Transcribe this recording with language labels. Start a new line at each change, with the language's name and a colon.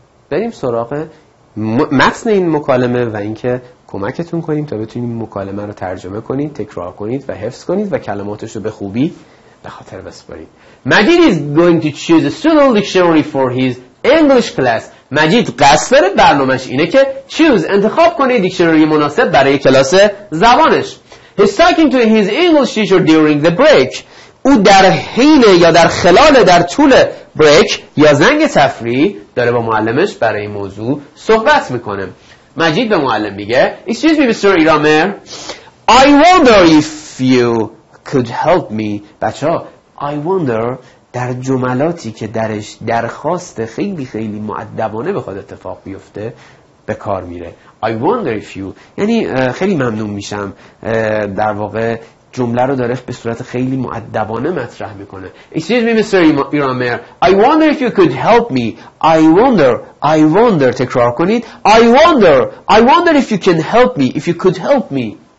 Persian: بریم سراغ متن این مکالمه و اینکه کمکتون کنیم تا بتونیم مکالمه رو ترجمه کنید، تکرار کنید و حفظ کنید و کلماتش رو به خوبی به خاطر بسپارید.
English: Majid is going to choose a suitable dictionary for his English class.
Persian: مجید قصد داره برنامه‌اش اینه که choose انتخاب کنه دیکشنری مناسب برای کلاس زبانش.
English: He's talking to his English teacher during the break.
Persian: او در حین یا در خلال در طول break یا زنگ تفریح داره با معلمش برای این موضوع صحبت میکنه. مجید به معلم میگه
English: Excuse me Mr. Iramer, I wonder if you could help me.
Persian: بچه ها
English: I wonder
Persian: در جملاتی که درش درخواست خیلی خیلی مؤدبانه بخواد اتفاق بیفته به کار میره.
English: I wonder if you
Persian: یعنی خیلی ممنون میشم. در واقع جمله رو داره به صورت خیلی مؤدبانه مطرح میکنه.
English: Excuse me Mr. Iramer, I wonder if you could help me. I wonder
Persian: تکرار کنید.
English: I wonder if you can help me, if you could help me.